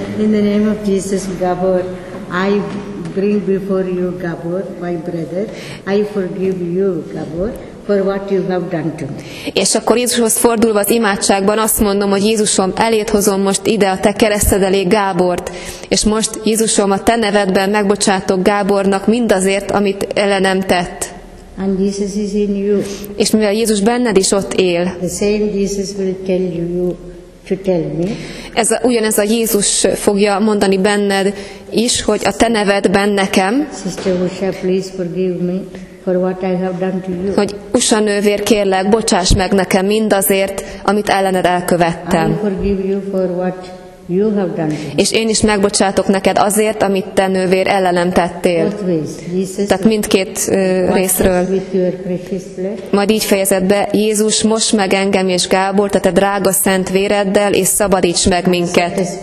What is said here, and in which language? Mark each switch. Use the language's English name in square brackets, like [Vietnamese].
[English] In the name of Jesus, Gábor, I bring before you, Gábor, my brother. I forgive you, Gábor, for what you have done to me. [Hungarian] És akkor Jézushoz fordulva az imádságban azt mondom, hogy Jézusom, eléd hozom most ide a te kereszted elé Gábort. És most Jézusom, a te nevedben megbocsátok Gábornak mindazért, amit ellenem tett. [English] And Jesus is in you. [Hungarian] És mivel Jézus benned is ott él. [English] The same Jesus will tell you to tell me. [Hungarian] Ugyanez a Jézus fogja mondani benned is, hogy a te nevedben nekem. [English] Sister Usha, please forgive me for what I have done to you. [Hungarian] Hogy Usha nővér, kérlek, bocsáss meg nekem mindazért, amit ellened elkövettem. [English] I forgive you for what you have done. [Hungarian] És én is megbocsátok neked azért, amit te nővér ellenem tettél. Tehát mindkét részről. Majd így fejezed be, Jézus, mosd meg engem és Gábor, tehát a drága szent véreddel, és szabadíts meg minket.